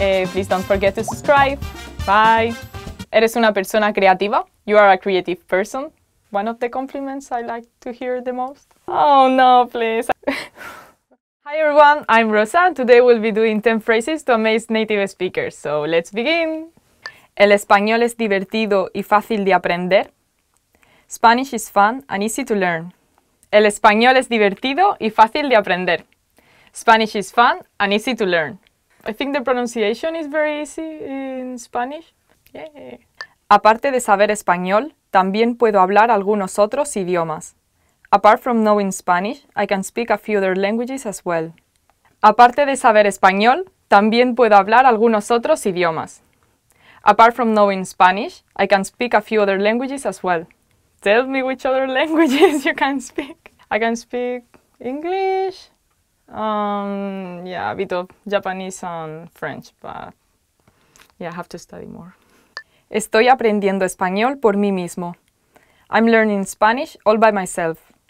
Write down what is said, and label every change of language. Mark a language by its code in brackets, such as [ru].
[en] Please don't forget to subscribe. Bye. [es] Eres una persona creativa. [en] You are a creative person. One of the compliments I like to hear the most. Oh no, please. Hi everyone, I'm Rosa, and today we'll be doing 10 phrases to amaze native speakers. So let's begin. [es] El español es divertido y fácil de aprender. [en] Spanish is fun and easy to learn. [es] El español es divertido y fácil de aprender. [en] Spanish is fun and easy to learn. I think the pronunciation is very easy in Spanish. Yeah. [es] Aparte de saber español, también puedo hablar algunos otros idiomas. [en] Apart from knowing Spanish, I can speak a few other languages as well. [es] Aparte de saber español, también puedo hablar algunos otros idiomas. [en] Apart from knowing Spanish, I can speak a few other languages as well. Tell me which other languages you can speak. I can speak English, a bit of Japanese and French, but yeah, I have to study more. [es] Estoy aprendiendo español por mí mismo. [en] I'm learning Spanish all by myself.